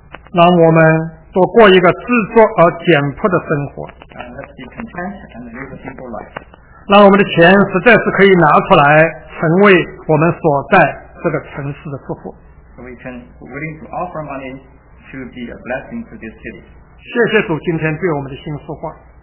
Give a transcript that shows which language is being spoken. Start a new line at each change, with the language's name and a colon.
Chinese: 让我们多过一个知足而简朴的生活。
English: Let's be content and live a simple life.
Chinese: 让我们的钱实在是可以拿出来成为我们所在这个城市的祝福。
English: So we can willing to offer money to be a blessing to this city.
Chinese: 谢谢主今天对我们的心说话。